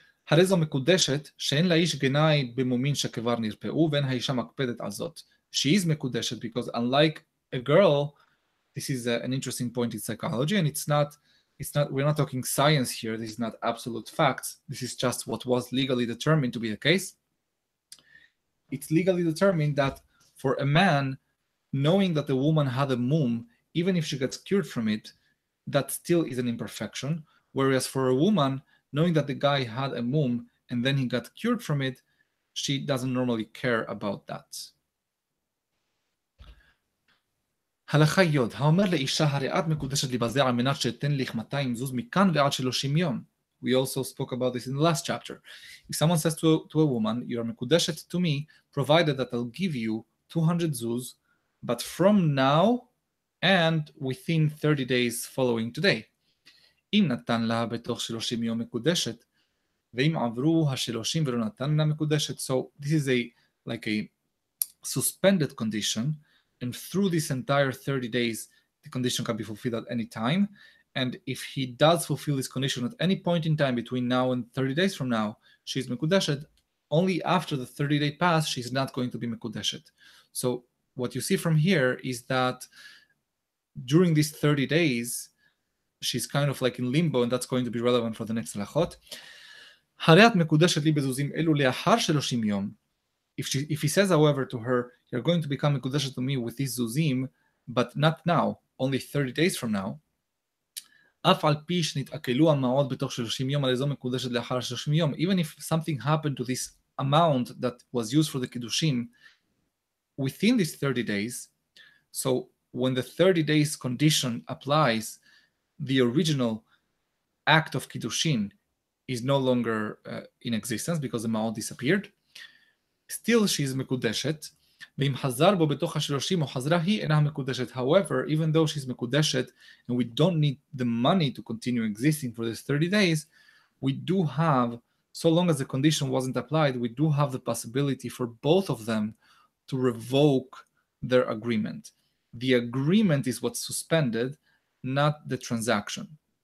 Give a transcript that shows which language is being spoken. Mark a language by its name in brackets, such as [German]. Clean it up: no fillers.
[Hebrew] הרי זו מקודשת שאין לאיש גנאי במומים שכבר נרפאו, ואין האישה מקפדת על זאת. [English] She is מקודשת, because unlike a girl, this is an interesting point in psychology, and we're not talking science here. This is not absolute facts. This is just what was legally determined to be the case. It's legally determined that for a man, knowing that the woman had a mum, even if she gets cured from it, that still is an imperfection. Whereas for a woman, knowing that the guy had a mum and then he got cured from it, she doesn't normally care about that. [Hebrew] הלכה יוד, האומר לאישה הרי את מקודשת לי בזה על מנת שאתן לך 200 זוז מכאן ועד 30 יום. [English] We also spoke about this in the last chapter. If someone says to a woman, you are מקודשת to me, provided that I'll give you 200 זוז, but from now and within 30 days following today. [Hebrew] אם נתן לה בתוך 30 יום מקודשת, ואם עברו ה-30 ולא נתן לה מקודשת. [English] So this is a suspended condition. And through this entire 30 days, the condition can be fulfilled at any time. And if he does fulfill this condition at any point in time between now and 30 days from now, she's mekudeshet. Only after the 30-day pass, she's not going to be mekudeshet. So what you see from here is that during these 30 days, she's kind of like in limbo, and that's going to be relevant for the next halachot. [Hebrew] הרי את מקודשת לי בזוזים אלו לאחר 30 יום. [English] If he says, however, to her, you're going to become mekudeshet to me with this zuzim, but not now, only 30 days from now. [Hebrew] אף על פי שנתעכלו המעות בתוך 30 יום, הרי זו מקודשת לאחר 30 יום. [English] Even if something happened to this amount that was used for the kiddushim within these 30 days, so when the 30 days condition applies, the original act of kiddushin is no longer in existence because the maot disappeared. Still, she is mekudeshet. [Hebrew] ואם חזר בו בתוך השלושים או חזרה היא אינה מקודשת. [English] However, even though she's מקודשת, and we don't need the money to continue existing for these 30 days, we do have, so long as the condition wasn't applied, we do have the possibility for both of them to revoke their agreement. The agreement is what's suspended, not the transaction.